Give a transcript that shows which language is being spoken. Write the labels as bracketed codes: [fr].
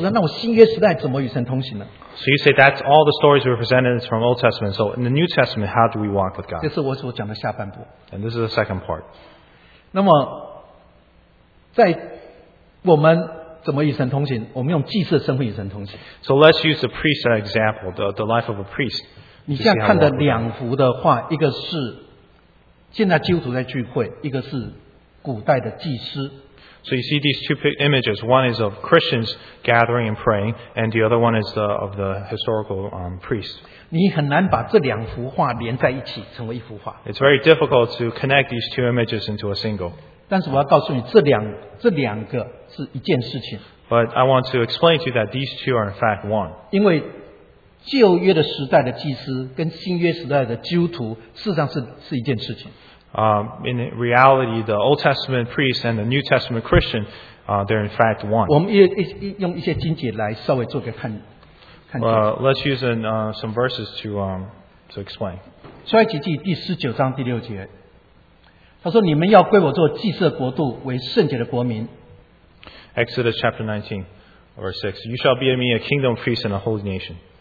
[zh] 我弥迦书我先不讲。好，但是你说那是旧约的时代，那我新约时代怎么与神同行呢？ [en] So you say that's all the stories we presented is from Old Testament. So in the New Testament, how do we walk with God? [zh] 这是我所讲的下半部。 [en] And this is the second part. [zh] 那么在我们怎么与神同行？我们用祭司的身份与神同行。 [en] So let's use the priest as an example, the life of a priest. [zh] 你这样看的两幅的话，一个是。现在基督徒在聚会，一个是古代的祭司。 [en] So you see these two images. One is of Christians gathering and praying, and the other one is of the historical priest. [zh] 你很难把这两幅画连在一起成为一幅画。 [en] It's very difficult to connect these two images into a single. [zh] 但是我要告诉你，这两个是一件事情。 [en] But I want to explain to you that these two are in fact one. [zh] 因为 旧约的时代的祭司跟新约时代的基督徒，事实上是一件事情。 [en] In reality, the Old Testament priest and the New Testament Christian, they're in fact one. [zh] 我们用一些经节来稍微做个看。 [en] Let's use some verses to explain. [zh] 出埃及记第十九章第六节，他说：“你们要归我做祭司的国度，为圣洁的国民。” [en] Exodus chapter 19, verse 6. You shall be me a kingdom priest and a holy nation.